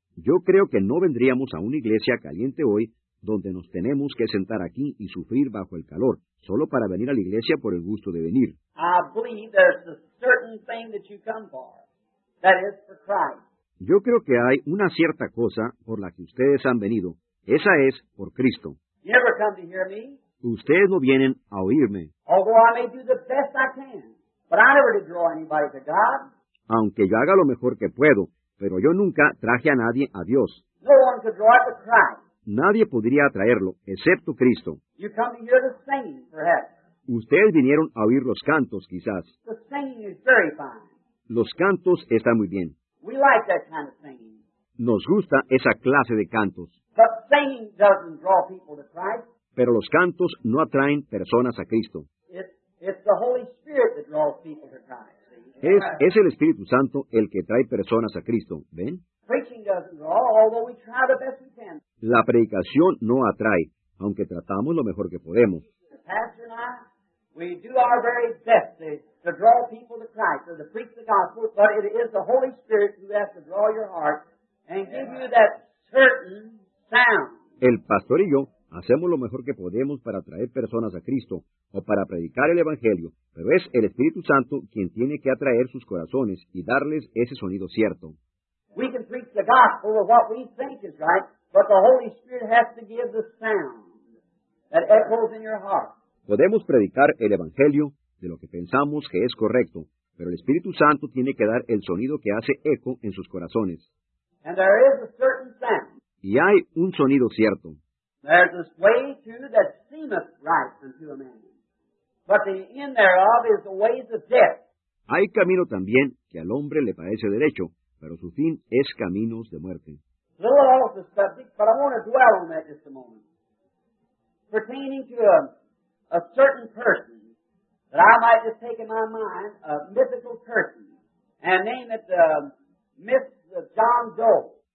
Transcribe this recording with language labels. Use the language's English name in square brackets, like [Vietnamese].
[Spanish] Yo creo que no vendríamos a una iglesia caliente hoy donde nos tenemos que sentar aquí y sufrir bajo el calor, solo para venir a la iglesia por el gusto de venir. [English] I believe there's a certain thing that you come for. That is for Christ. [Spanish] Yo creo que hay una cierta cosa por la que ustedes han venido. Esa es por Cristo. [English] You never come to hear me. [Spanish] Ustedes no vienen a oírme. [English] Although I may do the best I can, but I never draw anybody to God. [Spanish] Aunque yo haga lo mejor que puedo, pero yo nunca traje a nadie a Dios. [English] No one could draw it to Christ. [Spanish] Nadie podría atraerlo, excepto Cristo. [English] You come to hear the singing, perhaps. [Spanish] Ustedes vinieron a oír los cantos, quizás. [English] The singing is very fine. [Spanish] Los cantos están muy bien. [English] We like that kind of singing. [Spanish] Nos gusta esa clase de cantos. [English] But singing doesn't draw people to Christ. [Spanish] Pero los cantos no atraen personas a Cristo. [English] It's the Holy Spirit that draws people to Christ. [Spanish] Es el Espíritu Santo el que trae personas a Cristo. ¿Ven? [English] Preaching doesn't draw, although we try the best we can. [Spanish] La predicación no atrae, aunque tratamos lo mejor que podemos. [English] The pastor and I, we do our very best to draw people to Christ or to preach the gospel, but it is the Holy Spirit who has to draw your heart and give you that certain sound. [Spanish] El pastor y yo hacemos lo mejor que podemos para atraer personas a Cristo o para predicar el Evangelio, pero es el Espíritu Santo quien tiene que atraer sus corazones y darles ese sonido cierto. [English] We can preach the gospel of what we think is right, but the Holy Spirit has to give the sound that echoes in your heart. [Spanish] Podemos predicar el Evangelio de lo que pensamos que es correcto, pero el Espíritu Santo tiene que dar el sonido que hace eco en sus corazones. [English] And there is a certain sound. [Spanish] Y hay un sonido cierto. [English] There's a way too that seemeth right unto a man, but the end thereof is the ways of death. [Spanish] Hay camino también que al hombre le parece derecho, pero su fin es caminos de muerte. [English] A little off the subject, but I want to dwell on that just a moment. Pertaining to a certain person that I might just take in my mind, a mythical person, and name it the myth of John Doe.